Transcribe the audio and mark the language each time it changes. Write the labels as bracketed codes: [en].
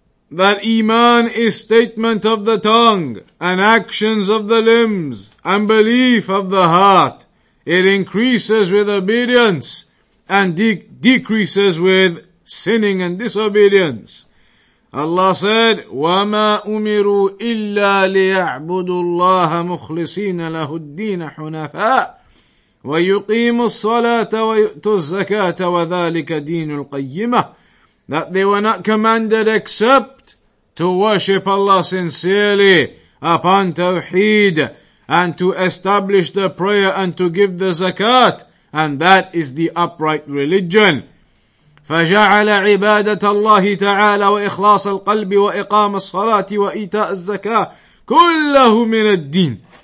[en] That iman is statement of the tongue and actions of the limbs and belief of the heart. It increases with obedience and decreases with sinning and disobedience. Allah said, [ar] وما أمروا إلا ليعبدوا الله مخلصين له الدين حنفاء وَيُقِيمُ الصَّلَاةَ وَيُؤْتُ الزَّكَاةَ وَذَلِكَ دِينُ الْقَيِّمَةِ. [en] That they were not commanded except to worship Allah sincerely upon Tawheed, and to establish the prayer and to give the zakat, and that is the upright religion. [ar] فَجَعَلَ عِبَادَةَ اللَّهِ تَعَالَى وَإِخْلَاصَ الْقَلْبِ وَإِقَامَ الصَّلَاةِ وَإِيتَاءَ الزَّكَاةِ كُلَّهُ مِنَ الدِّينِ.